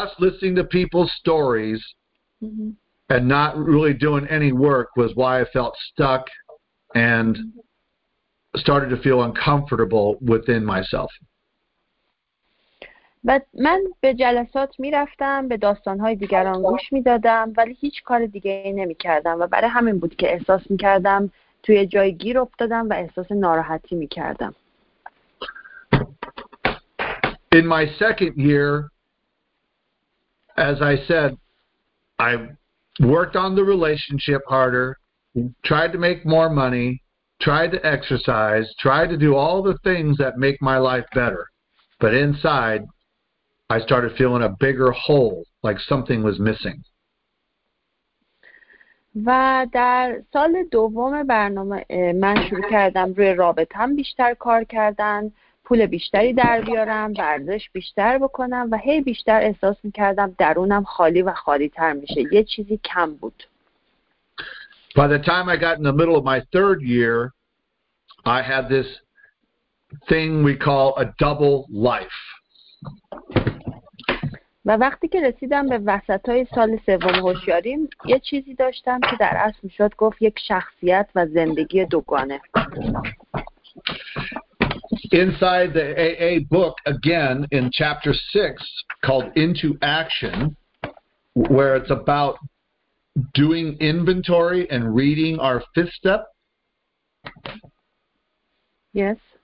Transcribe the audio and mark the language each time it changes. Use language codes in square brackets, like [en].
[en] Going to meetings and listening to people's stories mm-hmm. and not really doing any work was why I felt stuck and started to feel uncomfortable within myself. But [fa] من به جلسات می‌رفتم، به داستان‌های دیگران گوش می‌دادم، ولی هیچ کار دیگه‌ای نمی‌کردم و برای همین بود که احساس می‌کردم توی جای گیر افتادم و احساس ناراحتی می‌کردم. [en] In my second year, as I said, I worked on the relationship harder, tried to make more money, tried to exercise, tried to do all the things that make my life better. But inside, I started feeling a bigger hole, like something was missing. [fa] و در سال دوم برنامه من شروع کردم روی رابطه‌ام بیشتر کار کردن، پول بیشتری در بیارم، ورزش بیشتر بکنم و هی بیشتر احساس می‌کردم درونم خالی و خالی‌تر میشه. یه چیزی کم بود. [en] By the time I got in the middle of my third year, I had this thing we call a double life. [fa] و وقتی که رسیدم به وسطای سال سوم هوشیاریم، یه چیزی داشتم که در اصل میشد گفت یک شخصیت و زندگی دوگانه. [en] Inside the AA book, again, in chapter 6, called Into Action, where it's about doing inventory and reading our fifth step. Yes.